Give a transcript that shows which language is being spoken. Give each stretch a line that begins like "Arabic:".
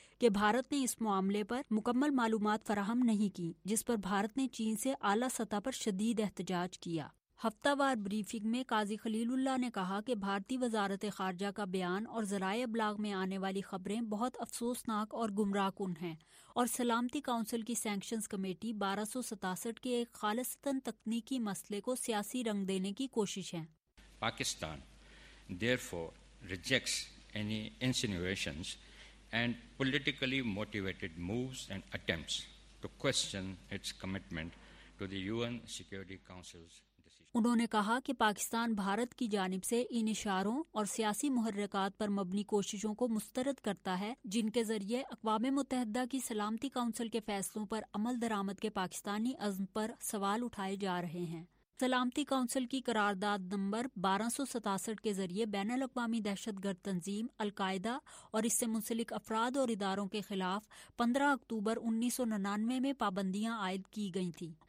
Urdu: کہ بھارت نے اس معاملے پر مکمل معلومات فراہم نہیں کی، جس پر بھارت نے چین سے اعلیٰ سطح پر شدید احتجاج کیا۔ ہفتہ وار بریفنگ میں قاضی خلیل اللہ نے کہا کہ بھارتی وزارت خارجہ کا بیان اور ذرائع ابلاغ میں آنے والی خبریں بہت افسوسناک اور گمراہ کن ہیں، اور سلامتی کونسل کی سینکشنز کمیٹی 1267 کے ایک خالصتاً تکنیکی مسئلے کو سیاسی رنگ دینے کی کوشش ہے۔
English: Pakistan therefore rejects any insinuations and politically motivated moves and attempts to question its commitment to the UN Security Council's decision.
Urdu: انہوں نے کہا کہ پاکستان بھارت کی جانب سے ان اشاروں اور سیاسی محرکات پر مبنی کوششوں کو مسترد کرتا ہے، جن کے ذریعے اقوام متحدہ کی سلامتی کونسل کے فیصلوں پر عمل درآمد کے پاکستانی عزم پر سوال اٹھائے جا رہے ہیں۔ سلامتی کونسل کی قرارداد نمبر 1267 کے ذریعے بین الاقوامی دہشت گرد تنظیم القاعدہ اور اس سے منسلک افراد اور اداروں کے خلاف 15 اکتوبر 1999 میں پابندیاں عائد کی گئی تھیں۔